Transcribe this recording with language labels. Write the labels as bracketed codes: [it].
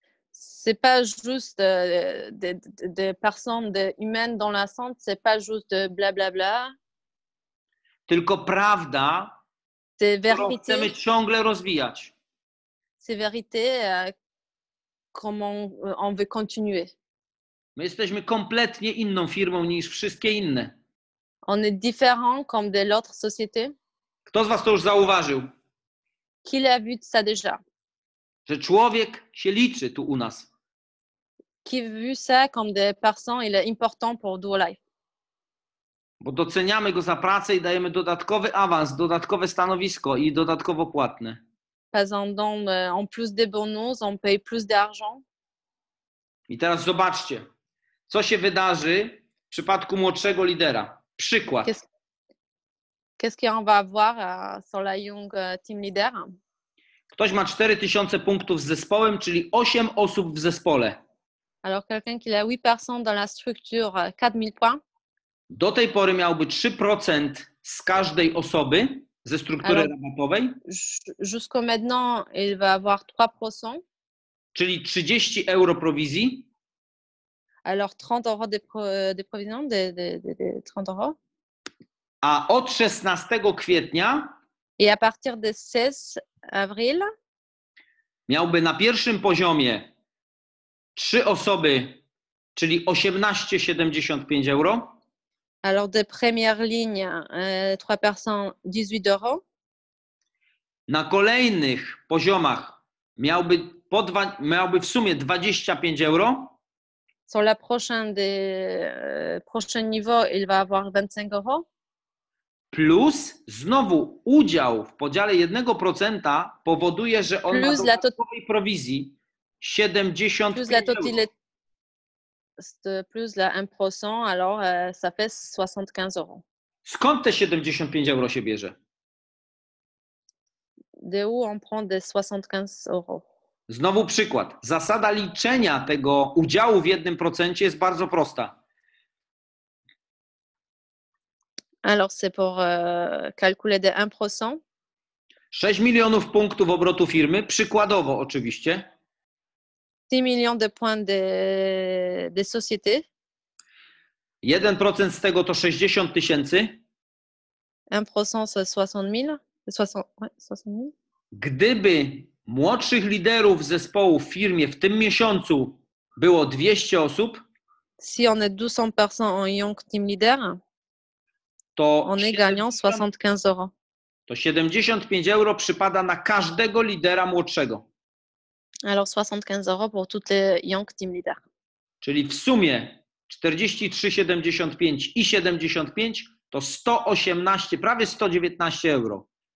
[fr] C'est pas juste des personnes humaines dans la centre, c'est pas juste blablabla. [pl] Tylko prawda. [fr] C'est vérité. [pl] Chcemy ciągle rozwijać. [fr] C'est vérité, comment on veut continuer. [pl] My jesteśmy kompletnie inną firmą niż wszystkie inne. [fr] On est différent comme de l'autre société. [pl] Kto z was to już zauważył? [fr] Qui l'a vu ça déjà? [pl] Że człowiek się liczy tu u nas. [fr] Qui vu ça comme des personnes, il est important pour Duolife. [pl] Bo doceniamy go za pracę i dajemy dodatkowy awans, dodatkowe stanowisko i dodatkowo płatne. [fr] En plus des bonus, on paye plus d'argent. [pl] I teraz zobaczcie, co się wydarzy w przypadku młodszego lidera. Przykład. [fr] Qu'est-ce qu'on va avoir sur la young team leader? [pl] Ktoś ma 4000 punktów z zespołem, czyli 8 osób w zespole. [fr] Alors quelqu'un qui a 8 personnes dans la structure, 4000 points. [pl] Do tej pory miałby 3% z każdej osoby ze struktury rabatowej. [fr] Jusqu'à maintenant, il va avoir 3%. [pl] Czyli 30 euro prowizji. [fr] Alors 30 euros de provision, de 30 euros. [pl] A od 16 kwietnia. [fr] Et à partir de 16 avril. [pl] Miałby na pierwszym poziomie 3 osoby, czyli 18,75 euro. [fr] Alors de première ligne, 3 personnes, 18 euros. [pl] Na kolejnych poziomach miałby w sumie 25 euro. [fr] Sur la prochaine prochain niveau, il va avoir 25 euros. [pl] Plus, znowu, udział w podziale 1% powoduje, że on plus ma dodatkowej prowizji 75 euro. [fr] Plus la 1%, alors ça fait 75 euros. [pl] Skąd te 75 euro się bierze? [fr] De où on prend des 75 euros? [pl] Znowu przykład. Zasada liczenia tego udziału w 1% jest bardzo prosta. [fr] Alors c'est pour calculer des 1%. [pl] 6 milionów punktów obrotu firmy, przykładowo oczywiście. [fr] 6 milionów de points de société. [pl] 1% z tego to 60 tysięcy. 1% to 60 000. Gdyby młodszych liderów zespołu w firmie w tym miesiącu było 200 osób. [fr] Si on est 200 personnes en young team leader. [pl] To [fr] on est gagnant 75 euros. [pl] To 75 euro przypada na każdego lidera młodszego. [fr] Alors 75 euros pour tous les young team leaders. [pl] Czyli w sumie 43,75 i 75 to 118, prawie 119 euro.